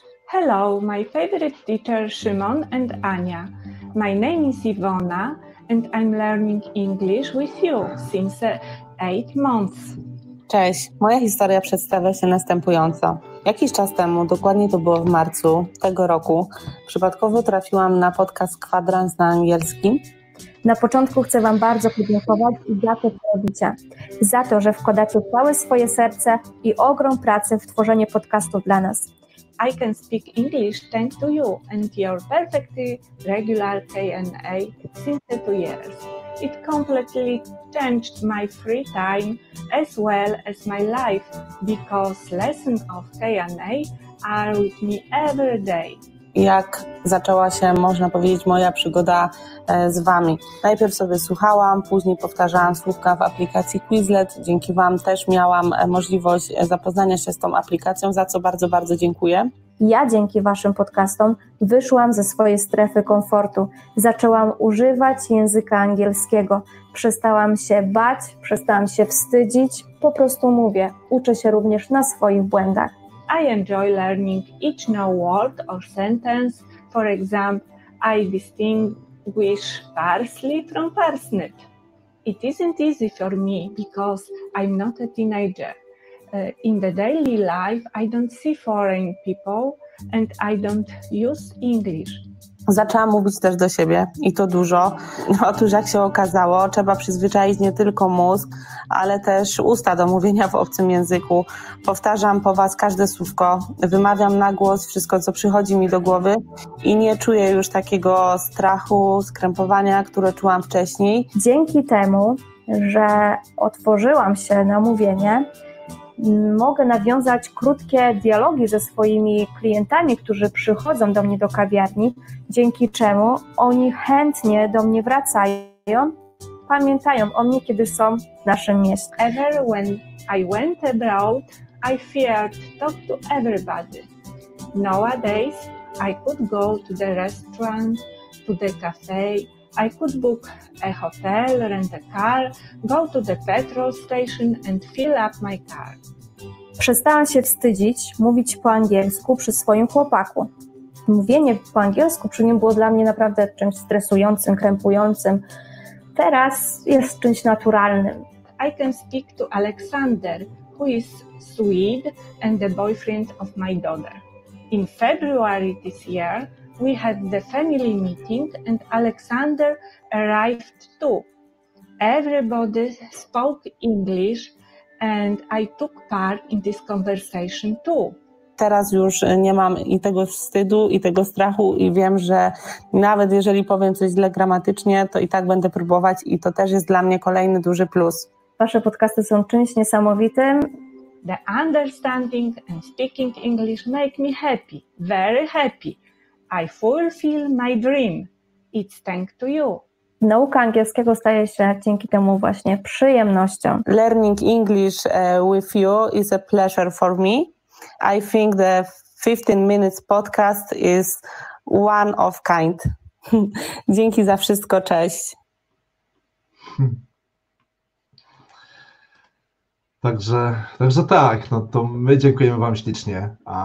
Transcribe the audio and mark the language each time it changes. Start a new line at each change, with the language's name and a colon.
English: Hello, my favorite teacher Szymon and Ania. My name is Iwona and I'm learning English with you since 8 months.
Polish: Cześć, moja historia przedstawia się następująco. Jakiś czas temu, dokładnie to było w marcu tego roku, przypadkowo trafiłam na podcast Kwadrans na angielski. Na początku chcę wam bardzo podziękować i za to, co robicie. Za to, że wkładacie całe swoje serce i ogrom pracy w tworzenie podcastów dla nas.
English: I can speak English thanks to you and your perfectly regular K&A since 2 years. It completely changed my free time as well as my life because lessons of K&A are with me every day.
Polish: Jak zaczęła się, można powiedzieć, moja przygoda z wami. Najpierw sobie słuchałam, później powtarzałam słówka w aplikacji Quizlet. Dzięki wam też miałam możliwość zapoznania się z tą aplikacją, za co bardzo, bardzo dziękuję. Ja dzięki waszym podcastom wyszłam ze swojej strefy komfortu. Zaczęłam używać języka angielskiego. Przestałam się bać, przestałam się wstydzić. Po prostu mówię, uczę się również na swoich błędach.
English: I enjoy learning each new word or sentence. For example, I distinguish parsley from parsnip. It isn't easy for me because I'm not a teenager. In the daily life, I don't see foreign people and I don't use English.
Polish: Zaczęłam mówić też do siebie i to dużo. Otóż jak się okazało, trzeba przyzwyczaić nie tylko mózg, ale też usta do mówienia w obcym języku. Powtarzam po was każde słówko, wymawiam na głos wszystko, co przychodzi mi do głowy i nie czuję już takiego strachu, skrępowania, które czułam wcześniej. Dzięki temu, że otworzyłam się na mówienie, mogę nawiązać krótkie dialogi ze swoimi klientami, którzy przychodzą do mnie do kawiarni, dzięki czemu oni chętnie do mnie wracają, pamiętają o mnie, kiedy są w naszym mieście.
English: Ever when I went abroad, I feared to talk to everybody. Nowadays, I could go to the restaurant, to the cafe, I could book a hotel, rent a car, go to the petrol station and fill up my car.
Polish: Przestałam się wstydzić mówić po angielsku przy swoim chłopaku. Mówienie po angielsku przy nim było dla mnie naprawdę czymś stresującym, krępującym. Teraz jest czymś naturalnym.
English: I can speak to Alexander, who is Swede and the boyfriend of my daughter. In February this year, we had the family meeting and Alexander arrived too. Everybody spoke English and I took part in this conversation too.
Polish: Teraz już nie mam i tego wstydu, i tego strachu i wiem, że nawet jeżeli powiem coś źle gramatycznie, to i tak będę próbować i to też jest dla mnie kolejny duży plus. Wasze podcasty są czymś niesamowitym.
English: The understanding and speaking English make me happy, very happy. I fulfill my dream. It's thanks to you.
Polish: Nauka angielskiego staje się dzięki temu właśnie przyjemnością.
English: Learning English with you is a pleasure for me. I think the 15 minutes podcast is one of kind.
Polish: Dzięki za wszystko, cześć. Także tak, no to my dziękujemy wam ślicznie.